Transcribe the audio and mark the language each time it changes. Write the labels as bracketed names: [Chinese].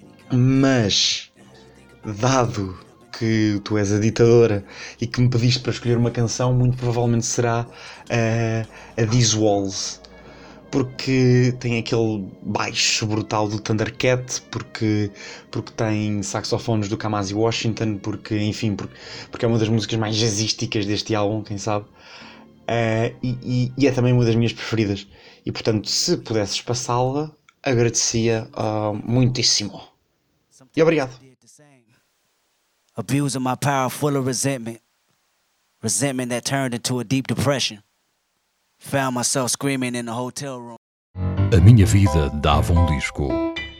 [Portuguese] Mas, dado que tu és a ditadora e que me pediste para escolher uma canção, muito provavelmente será a These Walls, porque tem aquele baixo brutal do Thundercat, porque tem saxofones do Kamasi Washington, porque, enfim, porque é uma das músicas mais jazzísticas deste álbum, quem sabe, e é também uma das minhas preferidas, e portanto, se pudesses passá-la, agradecia muitíssimo e obrigado. [English] Abusing my power full of resentment. Resentment that turned into a deep depression. Found myself screaming in the hotel room. [Portuguese] A minha vida dava um disco.